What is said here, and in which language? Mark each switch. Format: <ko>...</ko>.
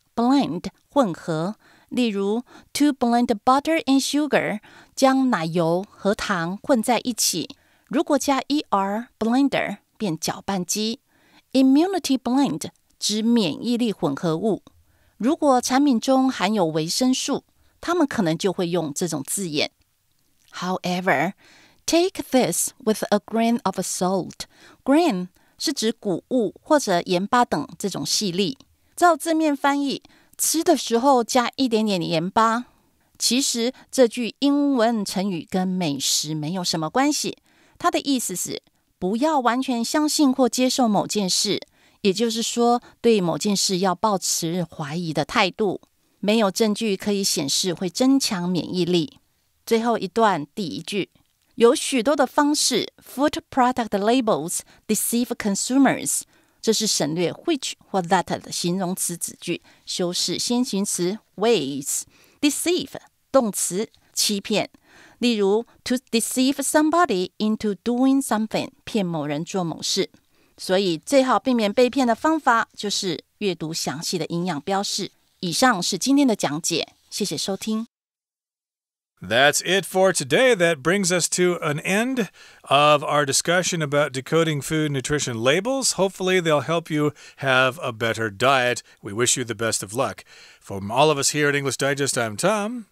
<zh>Blend 混合，例如</zh> <en>to blend butter and sugar</en> <zh>将奶油和糖混在一起。如果加 er blender 变搅拌机。 Immunity blend 指免疫力混合物。如果产品中含有维生素，他们可能就会用这种字眼。</zh> <en>However, take this with a grain of salt.</en> <zh>Grain 是指谷物或者盐巴等这种细粒。照字面翻译，吃的时候加一点点盐巴。其实这句英文成语跟美食没有什么关系，它的意思是不要完全相信或接受某件事，也就是说对某件事要抱持怀疑的态度。没有证据可以显示会增强免疫力。</zh> <en>最后一段第一句，</en> <zh>有许多的方式</zh> <en>food product labels deceive consumers。</en> <zh>这是省略 which 或 that 的形容词子句，修饰先行词 ways。 Deceive 动词，欺骗。例如</zh> <en>to deceive somebody into doing something，</en> <zh>骗某人做某事。所以最好避免被骗的方法就是阅读详细的营养标示。以上是今天的讲解，谢谢收听。</zh> <en>That's it for today. That brings us to an end of our discussion about decoding food nutrition labels. Hopefully, they'll help you have a better diet. We wish you the best of luck. From all of us here at English Digest, I'm Tom.</en>